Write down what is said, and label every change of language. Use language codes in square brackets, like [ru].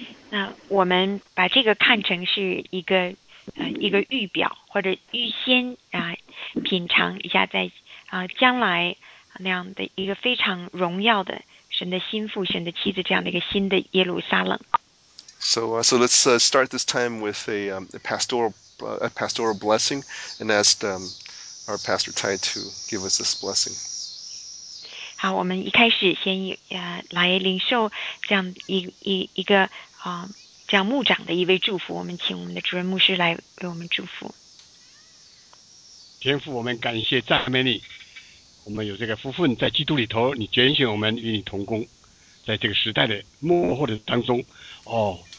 [zh] 那我们把这个看成是一个预表，或者预先品尝一下在将来那样的一个非常荣耀的神的心腹、神的妻子这样的一个新的耶路撒冷。 [en] So let's start this time with a pastoral blessing, and ask our pastor Tai to give us this blessing. [zh] 好，我们一开始先来领受这样一个这样牧长的一位祝福。我们请我们的主任牧师来为我们祝福。天父，我们感谢赞美你，我们有这个福分在基督里头，你拣选我们与你同工，在这个时代的幕后的当中，哦。